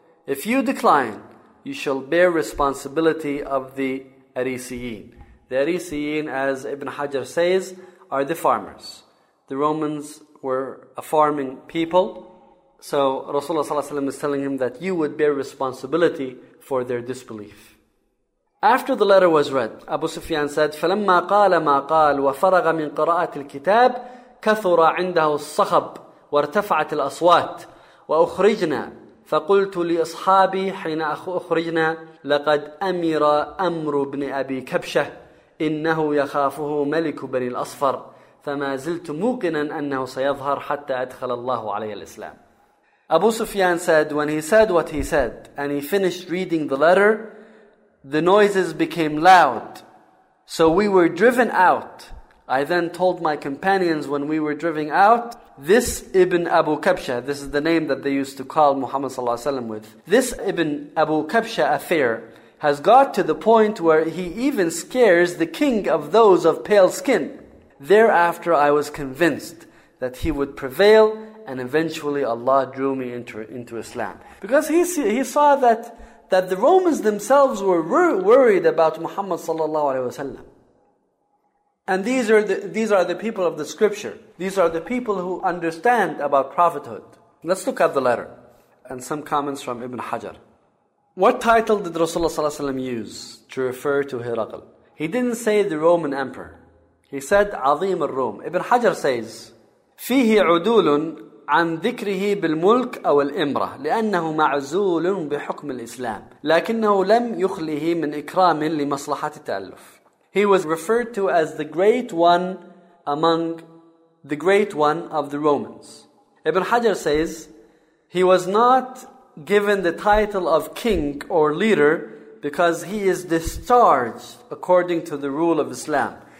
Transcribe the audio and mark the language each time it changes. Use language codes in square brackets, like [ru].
[en] If you decline, you shall bear responsibility of the Arisiyin. The Arisiyin, as Ibn Hajar says, are the farmers. The Romans were a farming people. So Rasulullah ﷺ is telling him that you would bear responsibility for their disbelief. After the letter was read, Abu Sufyan said, [ar] فَلَمَّا قَالَ مَا قَالَ وَفَرَغَ مِنْ قِرَاءَةِ الْكِتَابِ كَثُرَ عِنْدَهُ الصَّخَبِ وَارْتَفَعَتِ الْأَصْوَاتِ وَأُخْرِجْنَا فَقُلْتُ لِأَصْحَابِي حِينَ أُخْرِجْنَا لَقَدْ أَمِرَ أَمْرُ بْنِ أَبِي كَبْشَةِ إِنَّهُ يَخَافُهُ مَلِكُ بَنِي الْأَصْفَرِ فَمَا زِلْتُ مُوقِنًا أَنَّهُ سَيَظْهَرْ حَتَّى أَدْخَلَ اللَّهُ عَلَيْهِ الْإِسْلَامِ. [en] Abu Sufyan said, when he said what he said, and he finished reading the letter, the noises became loud. So we were driven out. I then told my companions when we were driven out, this Ibn Abu Kabsha, this is the name that they used to call Muhammad sallallahu alaihi wasallam with, this Ibn Abu Kabsha affair has got to the point where he even scares the king of those of pale skin. Thereafter I was convinced that he would prevail, and eventually Allah drew me into Islam. Because he saw that the Romans themselves were worried about Muhammad sallallahu alaihi wasallam. And these are the people of the scripture. These are the people who understand about prophethood. Let's look at the letter and some comments from Ibn Hajar. What title did Rasulullah sallallahu alaihi wasallam use to refer to Hiraql? He didn't say the Roman emperor. He said Azim al-Rum. Ibn Hajar says [ar] fihi udulun عن ذكره بالملك أو الإمرة لأنه معزول بحكم الإسلام لكنه لم يخله من إكرام لمصلحة التألف. [en] He was referred to as the great one among the great one of the Romans. Ibn Hajar says he was not given the title of king or leader because he is discharged according to the rule of Islam.